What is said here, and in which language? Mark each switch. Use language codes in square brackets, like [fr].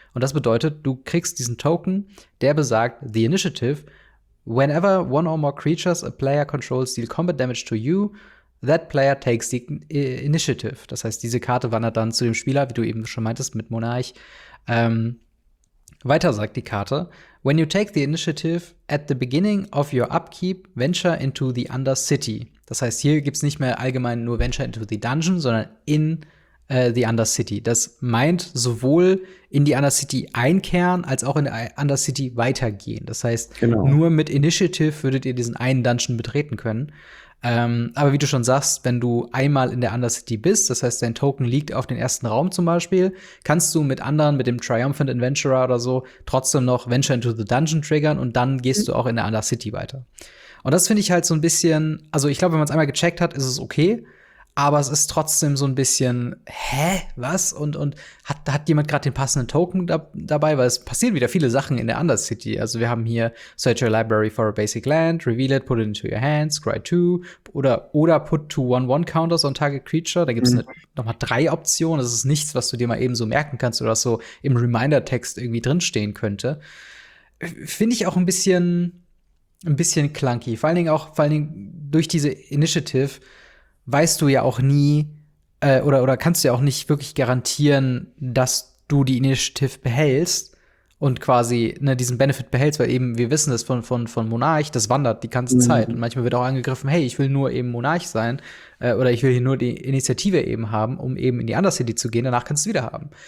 [de] Und das bedeutet, du kriegst diesen Token, der besagt, [en] the initiative, whenever one or more creatures a player controls deal combat damage to you, that player takes the initiative. [de] Das heißt, diese Karte wandert dann zu dem Spieler, wie du eben schon meintest, mit Monarch. Weiter sagt die Karte. [en] When you take the initiative at the beginning of your upkeep, venture into the Undercity. [de] Das heißt, hier gibt's nicht mehr allgemein nur venture into the dungeon, sondern in the Undercity. Das meint sowohl in die Undercity einkehren, als auch in die Undercity weitergehen. Das heißt, nur mit Initiative würdet ihr diesen einen Dungeon betreten können. Aber wie du schon sagst, wenn du einmal in der Undercity bist, das heißt, dein Token liegt auf den ersten Raum zum Beispiel, kannst du mit anderen, mit dem Triumphant Adventurer oder so, trotzdem noch Venture into the Dungeon triggern und dann gehst du auch in der Undercity weiter. Und das finde ich halt so ein bisschen, also ich glaube, wenn man es einmal gecheckt hat, ist es okay, aber es ist trotzdem so ein bisschen, hä, was? Und hat jemand gerade den passenden Token dabei? Weil es passieren wieder viele Sachen in der Undercity. Also wir haben hier [en] Search your library for a basic land, reveal it, put it into your hand, scry two. [de] Oder [en] put two 1-1 counters on target creature. [de] Da gibt es nochmal drei Optionen. Das ist nichts, was du dir mal eben so merken kannst oder so im Reminder-Text irgendwie drinstehen könnte. Finde ich auch ein bisschen clunky. Vor allen Dingen durch diese Initiative weißt du ja auch nie oder kannst du ja auch nicht wirklich garantieren, dass du die Initiative behältst und quasi diesen Benefit behältst, weil eben wir wissen das von Monarch, das wandert die ganze Zeit und manchmal wird auch angegriffen, hey, ich will nur eben Monarch sein oder ich will hier nur die Initiative eben haben, um eben in die Undercity zu gehen, danach kannst du wieder haben.